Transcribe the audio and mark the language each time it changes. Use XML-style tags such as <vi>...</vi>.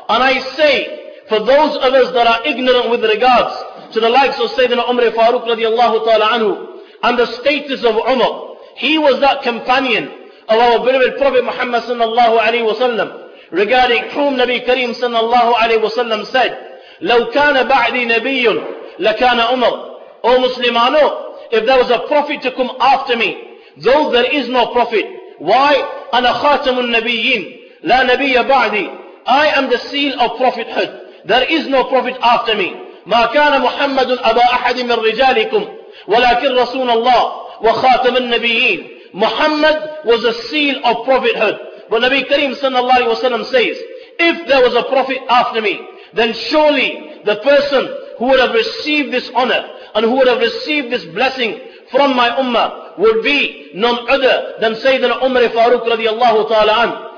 <en>And I say for those of us that are ignorant with regards to the likes of Sayyidina Umar Farooq radiallahu ta'ala anhu and the status of Umar, he was that companion of our beloved Prophet Muhammad sallallahu alayhi wa sallam, regarding whom Nabi Kareem sallallahu alayhi wa sallam said,</en> <ar>لو كان بعدي نبي لكان عمر.</ar> <en>O Muslimano, if there was a prophet to come after me, though there is no prophet. Why?</en> <ar>أنا خاتم النبيين لا نبي بعدي.</ar> <en>I am the seal of prophethood. There is no prophet after me.</en> <ar>ما كان محمد أبا أحد من رجالكم ولكن رسول الله وخاتم النبيين.</ar> <en>Muhammad was a seal of prophethood. But Nabi Kareem sallallahu alayhi wa sallam says, if there was a prophet after me, then surely the person who would have received this honor and who would have received this blessing from my ummah would be none other than Sayyidina Umar Farooq radiallahu ta'ala an.</en>